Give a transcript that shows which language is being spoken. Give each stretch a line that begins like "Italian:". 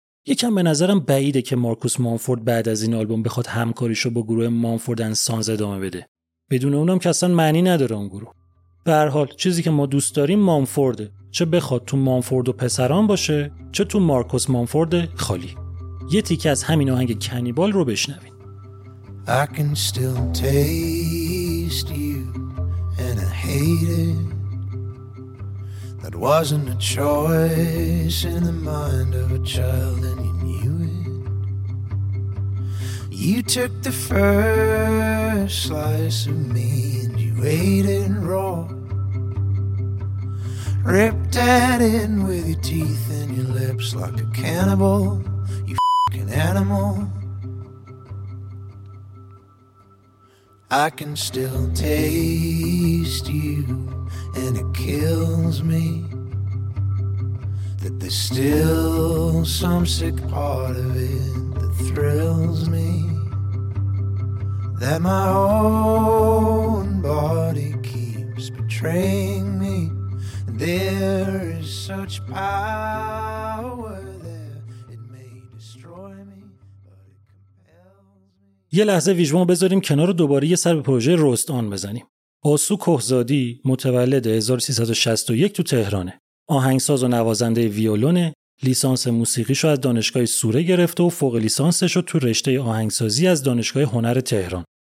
Persian: یکم به نظرم بعیده که مارکوس مانفورد بعد از این آلبوم بخواد همکاریشو با گروه مانفورد اند سانز ادامه بده. بدون اونم که اصلا معنی نداره اون گروه. به هر حال چیزی که ما دوست داریم مانفورده، چه بخواد تو مانفورد و پسران باشه، چه تو مارکوس مانفورد خالی. یه تیکه از همین آهنگ کنیبال رو بشنوید.
English: I can still taste you and I hate it. That wasn't a choice in the mind of a child, and you knew it. You took the first slice of me and you ate it raw. Ripped at it with your teeth and your lips like a cannibal, you fucking animal. I can still taste you. And it kills me that there's still some sick part of it that thrills me, that my own body keeps betraying me, and there is such power there it may destroy me but it compels me.
Persian: یه لحظه ویژوان بذاریم کنار و دوباره یه سر به پروژه رست آن بزنیم. آسو کهزادی متولد 1361 تو تهرانه. آهنگساز و نوازنده ویولونه. لیسانس موسیقیشو از دانشگاه سوره گرفته و فوق لیسانسشو تو رشته آهنگسازی از دانشگاه هنر تهران.